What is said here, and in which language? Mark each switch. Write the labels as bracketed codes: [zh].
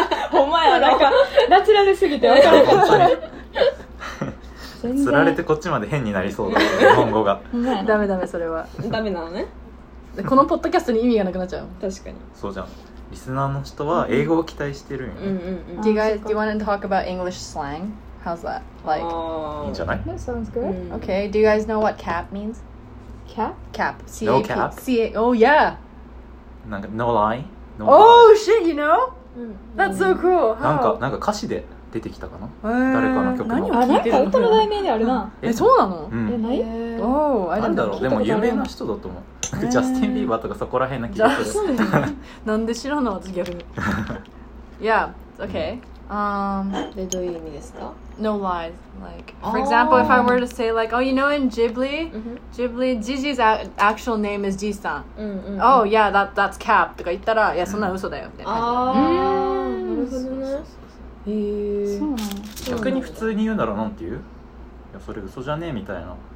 [ja] ほんまや、なんかナチュラルすぎて分からなかった。釣られてこっちまで変になりそうだ、日本語が。ダメダメ、それはダメなのね。このポッドキャストに意味がなくなっちゃう。確かに。そうじゃん、リスナーの人は英語を期待してるよね。 [en] Do you guys, do you want to talk about English slang? How's that? Like, [ja] いいんじゃない? [en] That sounds good. Okay, do you guys know what cap means? Cap? Cap. No cap? Oh, yeah. [ja] なんか、 [en] no lie? No lie. Oh, shit, you know? That's so cool. [ja] なんか、なんか歌詞で出てきたかな、誰かの曲の。何を聞いてるの? なんか歌の題名であるな。え、そうなの? え、ない ?なんだろう、でも有名な人だと思う。ジャスティン・ビーバーとかそこら辺な気がする。なんで知らんの私、逆に。 [en] Yeah, okay. [ja] どういう意味ですか? [en] No lies. Like, for example, if I were to say like, oh, you know in Ghibli? Ghibli, Gigi's actual name is Ji-san. Oh, yeah, that's cap. [ja] とか言ったら、いや、そんな嘘だよ。あー、なるほどね。へー。逆に普通に言うならなんて言う?いや、それ嘘じゃねえみたいな。